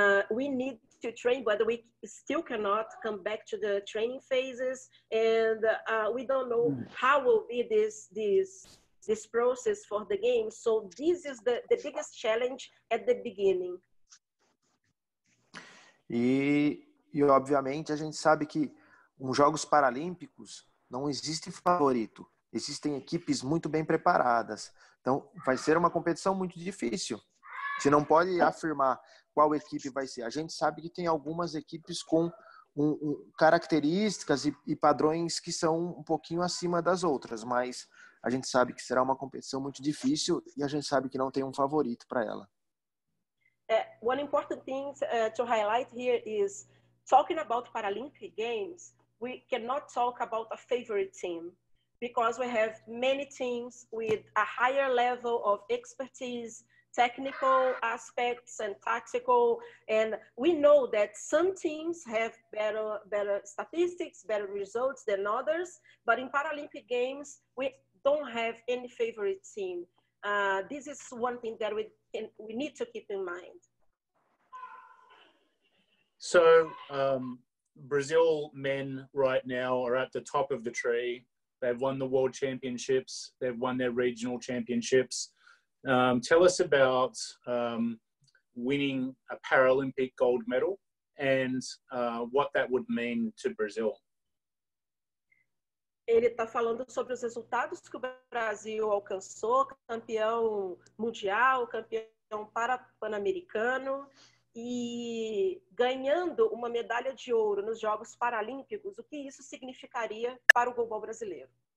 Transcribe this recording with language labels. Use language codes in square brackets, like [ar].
[en] We need to train, but we still cannot come back to the training phases. And we don't know how will be this process for the game. So this is the biggest challenge at the beginning. [pt] E obviamente a gente sabe que nos Jogos Paralímpicos não existe favorito. Existem equipes muito bem preparadas. Então, vai ser uma competição muito difícil. Você não pode afirmar qual equipe vai ser. A gente sabe que tem algumas equipes com características e padrões que são um pouquinho acima das outras, mas a gente sabe que será uma competição muito difícil e a gente sabe que não tem um favorito para ela. [en] One important thing to highlight here is talking about Paralympic Games, we cannot talk about a favorite team, because we have many teams with a higher level of expertise, technical aspects and tactical, and we know that some teams have better statistics, better results than others, but in Paralympic Games, we don't have any favorite team. This is one thing that we need to keep in mind. So Brazil men right now are at the top of the tree. They've won the world championships. They've won their regional championships. Tell us about winning a Paralympic gold medal and what that would mean to Brazil. [pt] Ele está falando sobre os resultados que o Brasil alcançou, campeão mundial, campeão pan-americano. E ganhando uma medalha de ouro nos Jogos Paralímpicos, o que isso significaria para o golbol brasileiro?